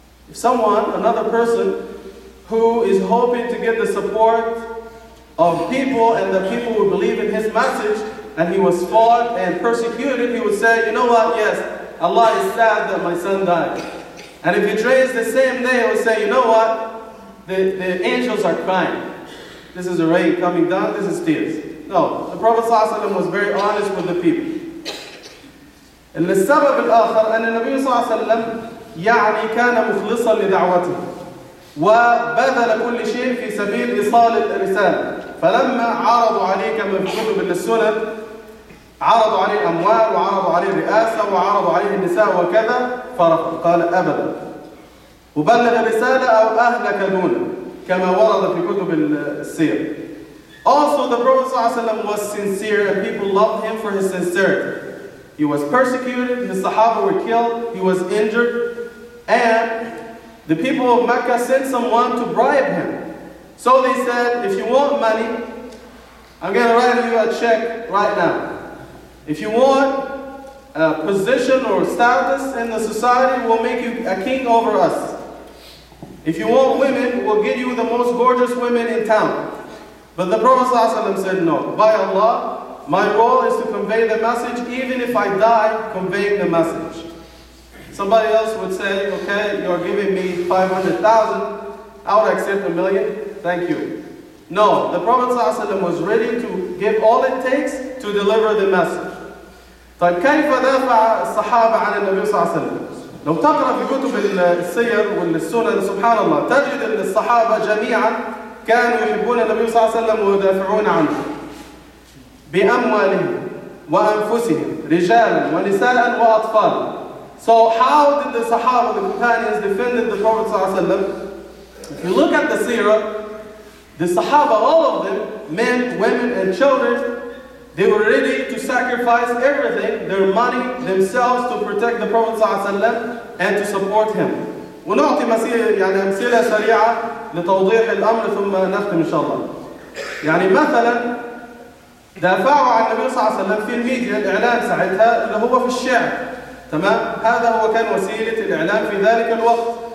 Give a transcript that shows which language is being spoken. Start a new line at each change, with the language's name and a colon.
English: If someone, another person, who is hoping to get the support of people and the people who believe in his message, and he was fought and persecuted, he would say, you know what, yes, Allah is sad that my son died. And if it rains the same day, he would say, you know what, the angels are crying. This is a rain coming down, this is tears. No, the Prophet sallallahu alaihi wasallam was very honest with the people.
Arabic: إن السبب الآخر أن النبي صلى الله عليه وسلم يعني كان مخلصا لدعوته وبذل كل شيء في سبيل إيصال الرسالة فلما عرضوا عليه كما يقول بالسنة عرضوا عليه أموال وعرضوا عليه رئاسة وعرضوا عليه النساء وكذا فرق قال أبدا وبلغ رسالة أو أهلك دونه كما ورد في كتب السير.
English: Also the Prophet صلى الله عليه وسلم was sincere and people loved him for his sincerity. He was persecuted, his Sahaba were killed, he was injured, and the people of Mecca sent someone to bribe him. So they said, if you want money, I'm going to write you a check right now. If you want a position or status in the society, we'll make you a king over us. If you want women, we'll get you the most gorgeous women in town. But the Prophet ﷺ said, no, by Allah, my role is to convey the message, even if I die, conveying the message. Somebody else would say, okay, you're giving me 500,000, I would accept 1,000,000, thank you. No, the Prophet ﷺ was ready to give all it takes to deliver the message.
Arabic: طيب كيف دافع الصحابة عن النبي صلى الله عليه وسلم؟ لو تقرأ في كتب السير والسنن سبحان الله تجد أن الصحابة جميعا كانوا يحبون النبي صلى الله عليه وسلم ويدافعون عنه. بأموالهم وأنفسهم رجالا ونساء وأطفال.
English: So how did the Sahaba, the companions, defend the Prophet صلى الله عليه وسلم? If you look at the seerah, the Sahaba, all of them, men, women, and children, they were ready to sacrifice everything, their money, themselves, to protect the Prophet صلى الله عليه وسلم and to support him.
Arabic: ونعطي أمثلة سريعة لتوضيح الأمر ثم نختم إن شاء الله. يعني مثلا دافعوا عن النبي صلى الله عليه وسلم في الميديا الإعلام ساعتها اللي هو في الشعر تمام؟ هذا هو كان وسيلة الإعلام في ذلك الوقت.